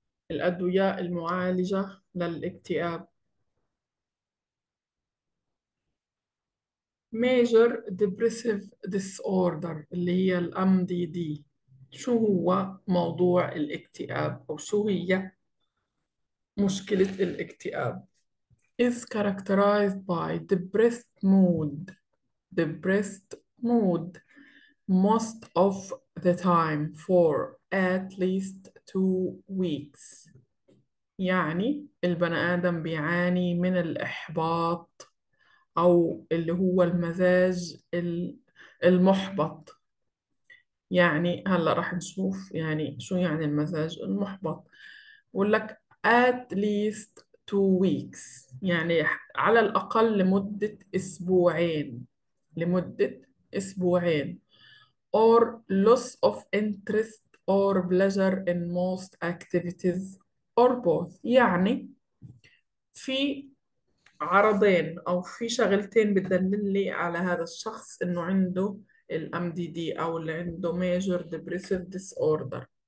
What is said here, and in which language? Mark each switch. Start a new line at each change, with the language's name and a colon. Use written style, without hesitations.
Arabic: الأدوية المعالجة للاكتئاب Major Depressive Disorder اللي هي الـ MDD. شو هو موضوع الاكتئاب، أو شو هي مشكلة الاكتئاب؟
English: is characterized by depressed mood. Depressed mood most of the time for at least 2 weeks.
Arabic: يعني البني آدم بيعاني من الإحباط، أو اللي هو المزاج المحبط. يعني هلأ راح نشوف يعني شو يعني المزاج المحبط. بقول لك
English: at least 2 weeks،
Arabic: يعني على الأقل لمدة أسبوعين، لمدة أسبوعين.
English: or loss of interest or pleasure in most activities or both.
Arabic: يعني في عرضين أو في شغلتين بتدلل لي على هذا الشخص إنه عنده الـ MDD، أو اللي عنده major depressive disorder.